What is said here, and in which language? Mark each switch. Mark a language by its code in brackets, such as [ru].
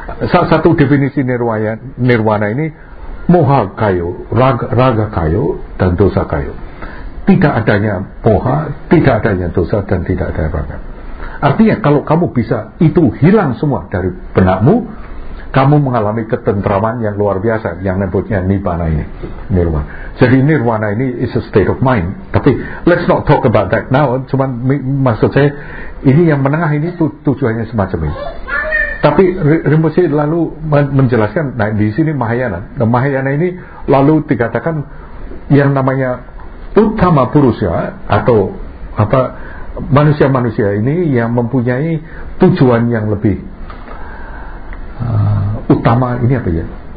[id] Salah satu definisi nirwana, nirwana ini moha kayo, raga kayo dan dosa kayo. Tidak adanya moha, tidak adanya dosa dan tidak adanya raga. Artinya kalau kamu bisa itu hilang semua dari benakmu, kamu mengalami ketentraman yang luar biasa yang nebutnya nibbana ini, nirwana. Jadi nirwana ini [en] is a state of mind, [id] tapi [en] let's not talk about that now. [id] Cuman maksud saya ini yang menengah ini tujuannya semacam ini. Tapi Rinpoche lalu menjelaskan, nah di sini Mahayana. Nah, Mahayana ini lalu dikatakan yang namanya utama purusha atau apa, manusia-manusia ini yang mempunyai tujuan yang lebih utama ini apa ya?